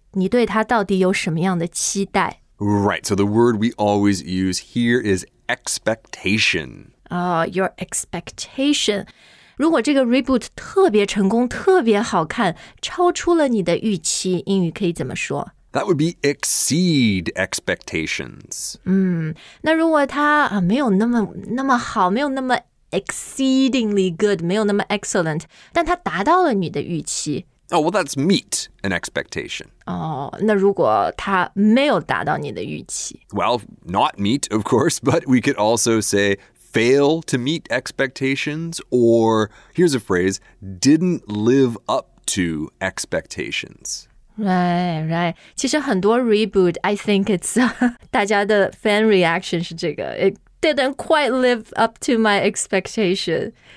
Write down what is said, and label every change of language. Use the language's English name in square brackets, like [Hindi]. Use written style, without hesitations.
[Chinese] 你对它到底有什么样的期待？ [English] Right, so the word we always use here is expectation. Your expectation. [Chinese] 如果这个 reboot 特别成功，特别好看，超出了你的预期，英语可以怎么说？ [English] That would be exceed expectations. [Chinese] 那如果它没有那么好，没有那么 [English] exceedingly good, [Chinese] 没有那么 excellent, 但它达到了你的预期。 [English] Oh, well, that's meet an expectation. [Chinese] 那如果它没有达到你的预期？ [English] Well, not meet, of course, but we could also say,fail to meet expectations, or here's a phrase, didn't live up to expectations. Right. [Chinese] 其实很多 [English] reboot, I think it's, [Chinese] 大家的 [English] fan reaction [Chinese] 是这个 [English] it didn't quite live up to my expectation.